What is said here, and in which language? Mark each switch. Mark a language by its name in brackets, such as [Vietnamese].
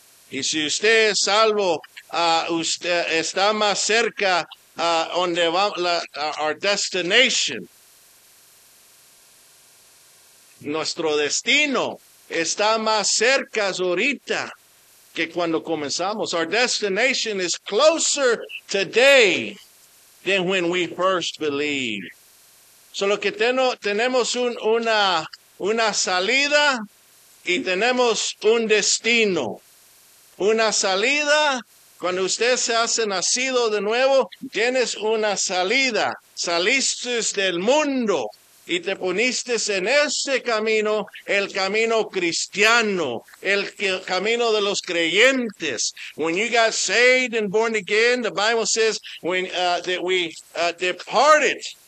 [Spanish] Y si usted es salvo, usted está más cerca a donde va [English] our destination. [Spanish] Nuestro destino está más cerca ahorita que cuando comenzamos. [English] Our destination is closer today than when we first believed. [Spanish] Solo que tenemos una salida y tenemos un destino. Una salida, cuando usted se hace nacido de nuevo, tienes una salida. Saliste del mundo y te poniste en ese camino, el camino cristiano, el camino de los creyentes. [English] When you got saved and born again, the Bible says that we departed.